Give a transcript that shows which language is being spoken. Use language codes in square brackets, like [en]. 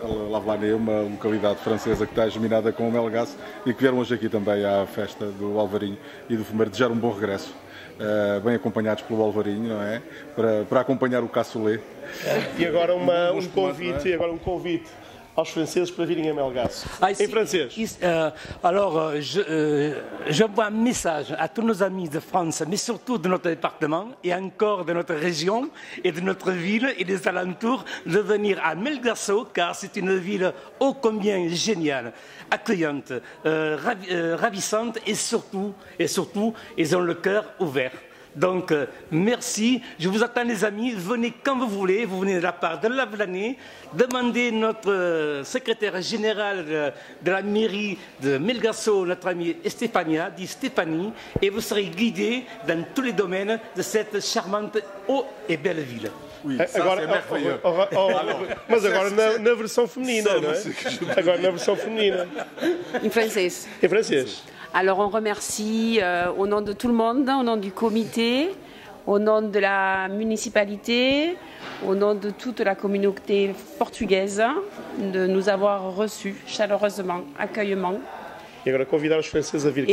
[pt] Lavlané, uma localidade francesa que está germinada com o Melgaço e que vieram hoje aqui também à festa do Alvarinho e do Fumeiro, desejar um bom regresso, bem acompanhados pelo Alvarinho, não é? Para acompanhar o Cassoulet. E agora um convite aos franceses para virem a Melgaço. Em francês. [fr] Je vous un message à tous nos amis de France, mais surtout de notre département et encore de notre région et de notre ville et des alentours, de venir à Melgaço, car c'est une ville ô combien géniale, accueillante, ravissante et surtout, ils ont le cœur ouvert. Donc, merci, je vous attends les amis, venez quand vous voulez, vous venez de la part de Lavlané, demandez notre secrétaire général de la mairie de Melgaço, notre ami Estefania, dit Stéphanie, et vous serez guidé dans tous les domaines de cette charmante, haute et belle ville. Oui, ça agora, c'est merveilleux. [pt] Mas agora na versão feminina, não é? Agora na versão feminina. Em francês. Em francês. [fr] Alors on remercie au nom de tout le monde, au nom du comité, au nom de la municipalité, au nom de toute la communauté portugaise de nous avoir reçus chaleureusement, accueillement. Et alors, [pt] convidar os franceses a vir cá.